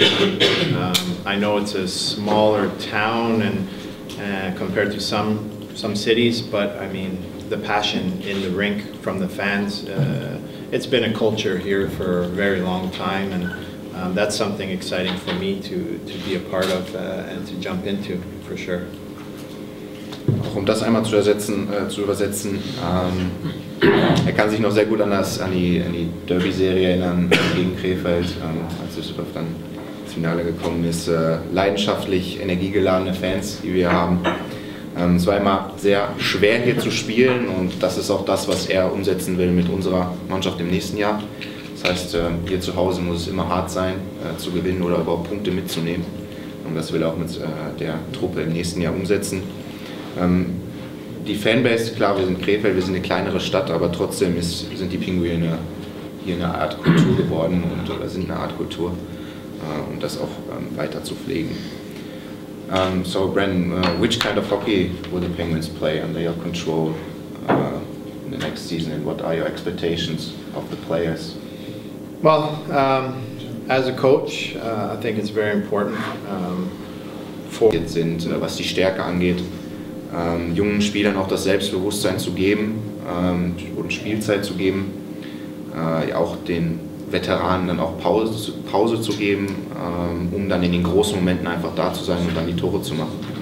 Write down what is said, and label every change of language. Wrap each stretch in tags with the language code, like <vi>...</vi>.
<en>And, I know it's a smaller town and compared to some cities, but I mean, the passion in the rink from the fans, it's been a culture here for a very long time, and that's something exciting for me to be a part of and to jump into, for sure.</en> <de>Um das einmal zu übersetzen, er kann sich noch sehr gut an die Derby-Serie erinnern gegen Krefeld, als Düsseldorf dann ins Finale gekommen ist. Leidenschaftlich energiegeladene Fans, die wir haben. Es war immer sehr schwer hier zu spielen und das ist auch das, was er umsetzen will mit unserer Mannschaft im nächsten Jahr. Das heißt, hier zu Hause muss es immer hart sein, zu gewinnen oder überhaupt Punkte mitzunehmen. Und das will er auch mit der Truppe im nächsten Jahr umsetzen. Die Fanbase, klar, wir sind Krefeld, wir sind eine kleinere Stadt, aber trotzdem sind die Pinguine hier eine Art Kultur geworden oder sind eine Art Kultur, um das auch weiter zu pflegen.</de> <en>So, Brandon, which kind of hockey will the Penguins play under your control in the next season, and what are your expectations of the players? Well, as a coach, I think it's very important for</en> <de>jetzt sind, was die Stärke angeht, jungen Spielern auch das Selbstbewusstsein zu geben und Spielzeit zu geben, auch den Veteranen dann auch Pause zu geben, um dann in den großen Momenten einfach da zu sein und dann die Tore zu machen.</de>